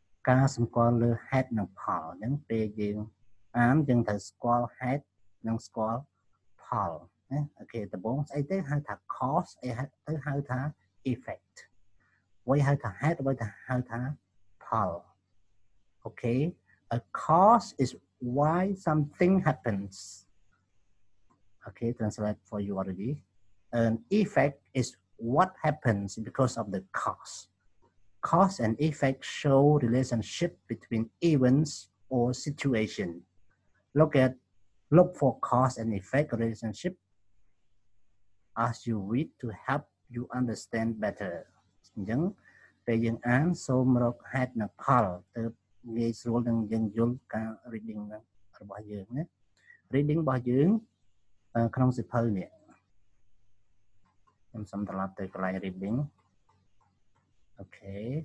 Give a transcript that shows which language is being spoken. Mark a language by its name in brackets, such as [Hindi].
[Khmer] ការសម្គាល់លើហេតុនិងផលនឹងពេលយើងអានយើងត្រូវស្គាល់ហេតុនិងស្គាល់ផលណាអូខេតំបងស្អីទៅហៅថា cause អីទៅហៅថា effect វាហៅថាហេតុវាហៅថាផលអូខេ [English] a cause is why something happens okay translate for you already. An effect is what happens because of the cause. Cause and effect show relationship between events or situation. Look for cause and effect relationship as you read to help you understand better. [Khmer] យើងពេលយើងអានសូមរកហេតុនិងផលទៅងាយស្រួលនឹងយើងយល់ការ reading របស់យើងណា reading របស់យើងក្នុងសិភៅនេះខ្ញុំសំត្រឡប់ទៅកន្លែង reading អូខេ